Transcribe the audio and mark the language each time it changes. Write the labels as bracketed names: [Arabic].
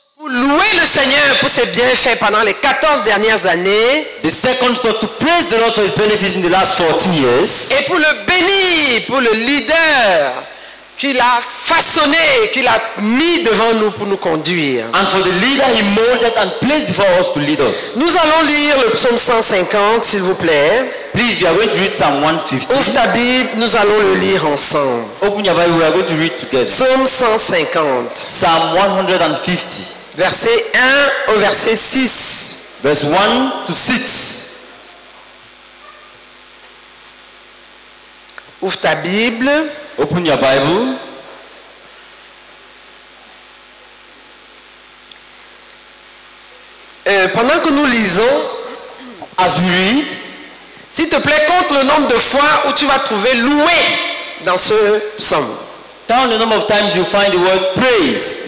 [French] Pour louer le Seigneur pour ses bienfaits pendant les 14 dernières années. [English] The second talk to praise the Lord for his benefits in the last 14 years. [French] Et pour le bénir pour le leader qu'il a façonné, qu'il a mis devant nous pour nous conduire. [English] And for the leader he molded and placed before us to lead us. [French] Nous allons lire le psaume 150, s'il vous plaît. [English] Please, you are going to read Psalm 150. [French] Ouvre ta Bible, nous allons le lire ensemble. [English] Open your Bible, we are going to read together. [French] Psaume 150. [English] Psalm 150. [French] Verset 1 au verset 6. [English] Verse 1 to 6. [French] Ouvre ta Bible. [English] Open your Bible. [French] Pendant que nous lisons, [English] as we read, [French] s'il te plaît, compte le nombre de fois où tu vas trouver loué dans ce psaume. [English] Count the number of times you find the word praise.